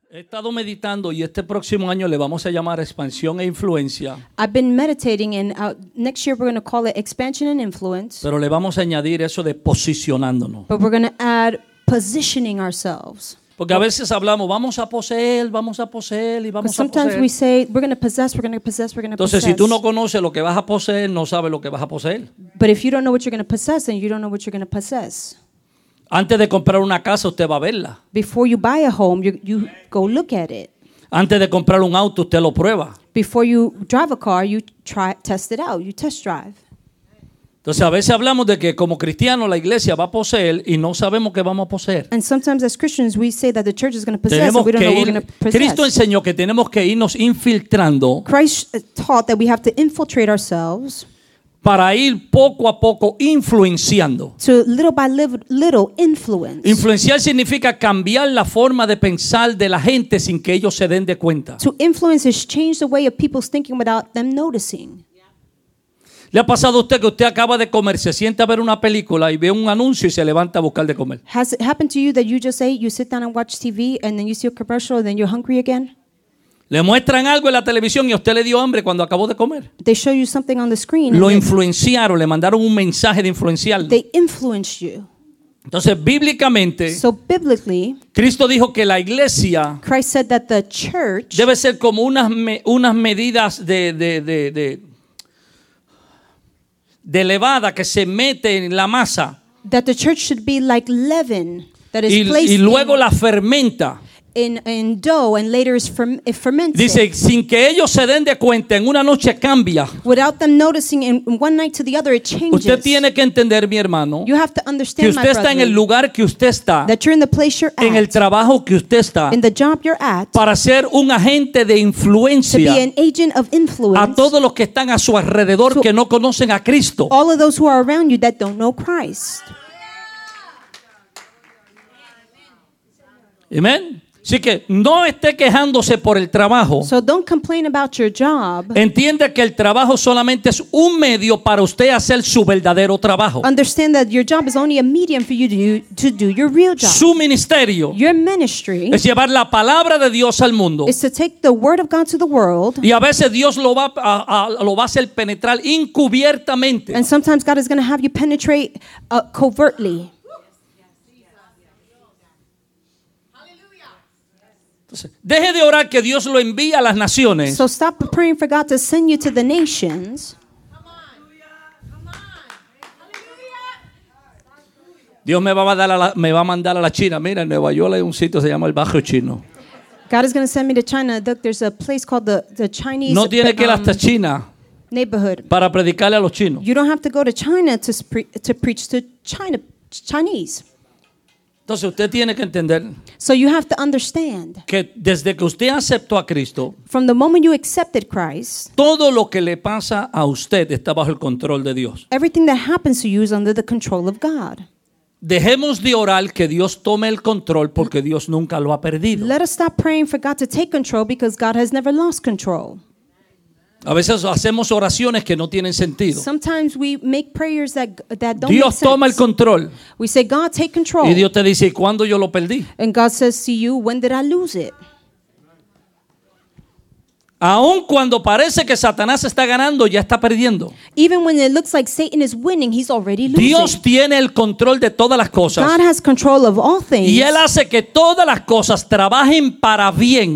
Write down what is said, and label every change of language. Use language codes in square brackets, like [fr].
[es] He estado meditando y este próximo año le vamos a llamar expansión e influencia. [en] I've been meditating and next year we're going to call it expansion and influence. [es] Pero le vamos a añadir eso de posicionándonos. [en] But we're going to add positioning ourselves. [es] Porque a veces hablamos, vamos a poseer y vamos a poseer. [en] Sometimes we say we're going to possess, we're going to possess, we're going to possess. [es] Entonces, si tú no conoces lo que vas a poseer, no sabes lo que vas a poseer. [en] But if you don't know what you're going to possess, then you don't know what you're going to possess. [es] Antes de comprar una casa, usted va a verla. [en] Before you buy a home, you go look at it. [es] Antes de comprar un auto, usted lo prueba. [en] Before you drive a car, you try test it out. You test drive. [es] Entonces a veces hablamos de que como cristianos la iglesia va a poseer y no sabemos qué vamos a poseer. [en] And sometimes as Christians we say that the church is going to possess, [es] tenemos, [en] and we don't know what we're going to possess. [es] Cristo enseñó que tenemos que irnos infiltrando. [en] Christ taught that we have to infiltrate ourselves. [es] Para ir poco a poco influenciando. [en] To little by little influence. [es] Influenciar significa cambiar la forma de pensar de la gente sin que ellos se den de cuenta. [en] To influence is change the way of people's thinking without them noticing. [es] ¿Le ha pasado a usted que usted acaba de comer, se sienta a ver una película y ve un anuncio y se levanta a buscar de comer? [en] Has it happened to you that you just ate, you sit down and watch TV and then you see a commercial and then you're hungry again? [es] Le muestran algo en la televisión y a usted le dio hambre cuando acabó de comer. [en] They show you something on the screen. [es] Lo influenciaron, le mandaron un mensaje de influenciarlo. [en] They influenced you. [es] Entonces, bíblicamente, [en] so biblically, [es] Cristo dijo que la iglesia, [en] Christ said that the church, [es] debe ser como unas medidas de levada que se mete en la masa. [en] That the church should be like leaven that is placed [es] y luego [en] in, [es] la fermenta. [en] In dough and later is fermented. [es] Dice sin que ellos se den de cuenta en una noche cambia. [en] Without them noticing in one night to the other it changes. [es] Usted tiene que entender, mi hermano, [en] you have to understand, [es] que usted [en] my [es] está [en] brother, [es] en el lugar que usted está, [en] that you're in the place you're at, [es] en el trabajo que usted está, [en] in the job you're at, [es] para ser un agente de influencia, [en] to be an agent of influence, [es] a todos los que están a su alrededor que no conocen a Cristo. [en] All of those who are around you that don't know Christ. Amen. [es] Así que no esté quejándose por el trabajo. [en] So don't complain about your job. [es] Entiende que el trabajo solamente es un medio para usted hacer su verdadero trabajo. [en] Understand that your job is only a medium for you to do your real job. [es] Su ministerio. [en] Your ministry. [es] Es llevar la palabra de Dios al mundo. [en] Is to take the word of God to the world. [es] Y a veces Dios lo va a hacer penetrar encubiertamente. [en] And sometimes God is going to have you penetrate covertly. [es] Deje de orar que Dios lo envíe a las naciones. [en] So stop praying for God to send you to the nations. [es] Dios me va a mandar a la China. Mira, en Nueva York hay un sitio que se llama el Barrio Chino. [en] God is going to send me to China. Look, there's a place called the Chinese. [es] No tiene que ir hasta China. [en] Neighborhood. [es] Para predicarle a los chinos. [en] You don't have to go to China to preach to China Chinese. [es] Entonces usted tiene que entender, [en] so you have to understand, [es] que desde que usted aceptó a Cristo, [en] from the moment you accepted Christ, [es] todo lo que le pasa a usted está bajo el control de Dios. [en] Everything that happens to you is under the control of God. [es] Dejemos de orar que Dios tome el control porque Dios nunca lo ha perdido. [en] Let us stop praying for God to take control because God has never lost control. [es] A veces hacemos oraciones que no tienen sentido. [en] Sometimes we make prayers that don't [es] Dios [en] make sense. [es] Toma el control. [en] We say, God, take control. [es] Y Dios te dice, ¿cuándo yo lo perdí? [en] And God says to you, when did I lose it? [es] Aun cuando parece que Satanás está ganando, ya está perdiendo. [en] Even when it looks like Satan is winning, he's already losing. [es] Dios tiene el control de todas las cosas. [en] God has control of all things. [es] Y él hace que todas las cosas trabajen para bien.